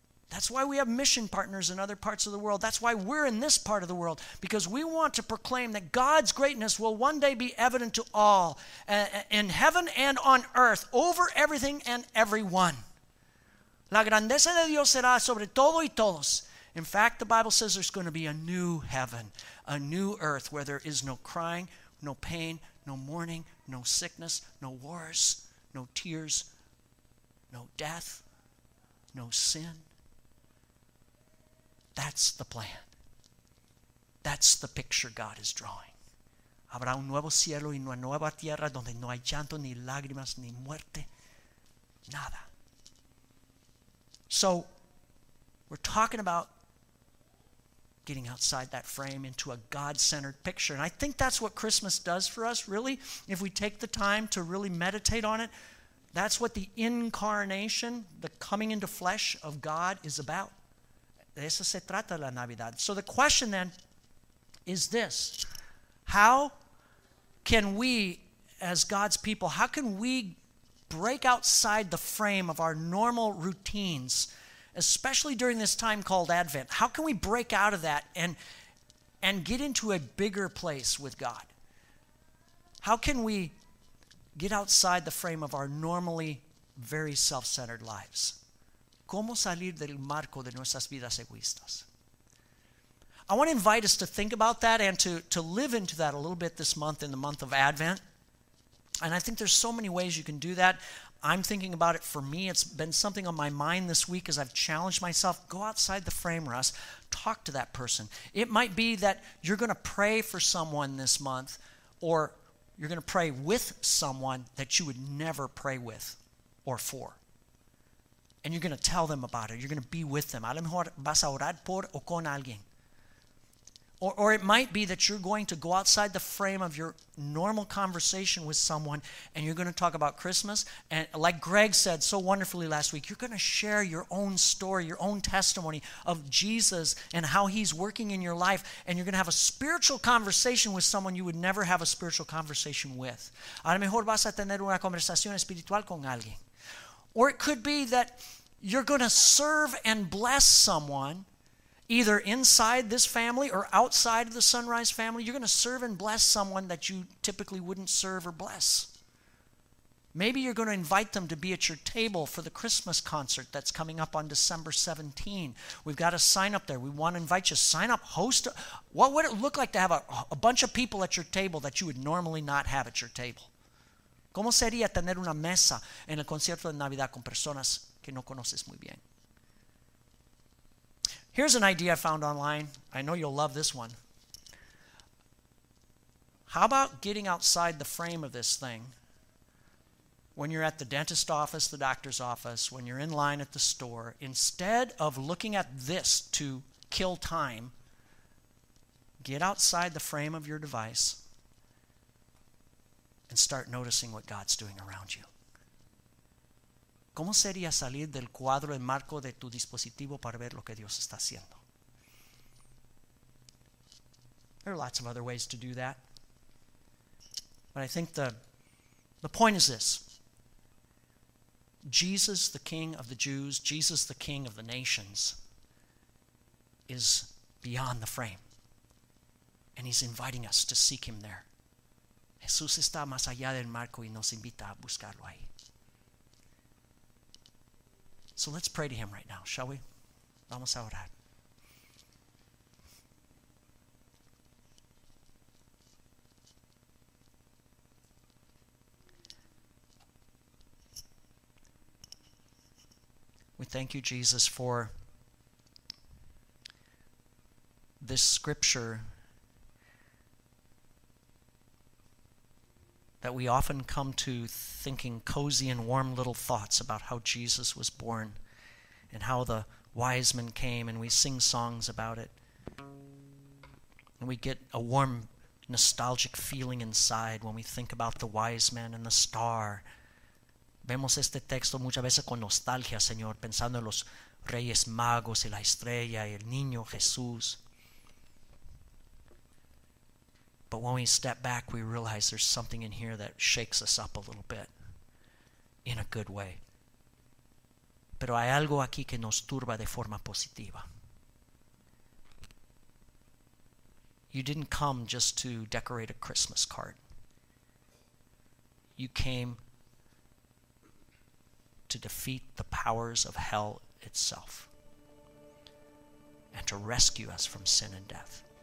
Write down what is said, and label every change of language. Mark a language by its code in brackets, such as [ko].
[en] That's why we have mission partners in other parts of the world. That's why we're in this part of the world, because we want to proclaim that God's greatness will one day be evident to all in heaven and on earth, over everything and everyone. [es] La grandeza de Dios será sobre todo y todos. [en] In fact, the Bible says there's going to be a new heaven, a new earth where there is no crying, no pain, no mourning, no sickness, no wars, no tears, no death, no sin. That's the plan. That's the picture God is drawing. [es] Habrá un nuevo cielo y una nueva tierra donde no hay llanto, ni lágrimas, ni muerte, nada. [en] So, we're talking about getting outside that frame into a God-centered picture. And I think that's what Christmas does for us, really. If we take the time to really meditate on it, that's what the incarnation, the coming into flesh of God, is about. [es] De eso se trata la Navidad. [en] So the question then is this. How can we, as God's people, how can we break outside the frame of our normal routines, especially during this time called Advent? How can we break out of that and get into a bigger place with God? How can we get outside the frame of our normally very self-centered lives? [es] ¿Cómo salir del marco de nuestras vidas egoístas? [en] I want to invite us to think about that and to live into that a little bit this month, in the month of Advent. And I think there's so many ways you can do that. I'm thinking about it for me. It's been something on my mind this week as I've challenged myself. Go outside the frame, Russ. Talk to that person. It might be that you're going to pray for someone this month, or you're going to pray with someone that you would never pray with or for. And you're going to tell them about it. You're going to be with them. [es] A lo mejor vas a orar por o con alguien. [en] Or it might be that you're going to go outside the frame of your normal conversation with someone, and you're going to talk about Christmas. And like Greg said so wonderfully last week, you're going to share your own story, your own testimony of Jesus and how he's working in your life. And you're going to have a spiritual conversation with someone you would never have a spiritual conversation with. [es] A lo mejor vas a tener una conversación espiritual con alguien. [en] Or it could be that you're going to serve and bless someone, either inside this family or outside of the Sunrise family. You're going to serve and bless someone that you typically wouldn't serve or bless. Maybe you're going to invite them to be at your table for the Christmas concert that's coming up on December 17. We've got a sign up there. We want to invite you. Sign up, host. What would it look like to have a bunch of people at your table that you would normally not have at your table? [es] ¿Cómo sería tener una mesa en el concierto de Navidad con personas que no conoces muy bien? [en] Here's an idea I found online. I know you'll love this one. How about getting outside the frame of this thing when you're at the dentist office, the doctor's office, when you're in line at the store? Instead of looking at this to kill time, get outside the frame of your device and start noticing what God's doing around you. [es] ¿Cómo sería salir del cuadro, del marco de tu dispositivo para ver lo que Dios está haciendo? [en] There are lots of other ways to do that. But I think the point is this. Jesus, the King of the Jews, Jesus, the King of the nations, is beyond the frame. And he's inviting us to seek him there. [es] Jesús está más allá del marco y nos invita a buscarlo ahí. [en] So let's pray to him right now, shall we? [es] Vamos a orar. [en] We thank you, Jesus, for this scripture that we often come to thinking cozy and warm little thoughts about how Jesus was born and how the wise men came, and we sing songs about it. And we get a warm, nostalgic feeling inside when we think about the wise men and the star. [es] Vemos este texto muchas veces con nostalgia, Señor, pensando en los reyes magos y la estrella y el niño Jesús. [en] But when we step back, we realize there's something in here that shakes us up a little bit, in a good way. [es] Pero hay algo aquí que nos turba de forma positiva. [en] You didn't come just to decorate a Christmas card. You came to defeat the powers of hell itself and to rescue us from sin and death.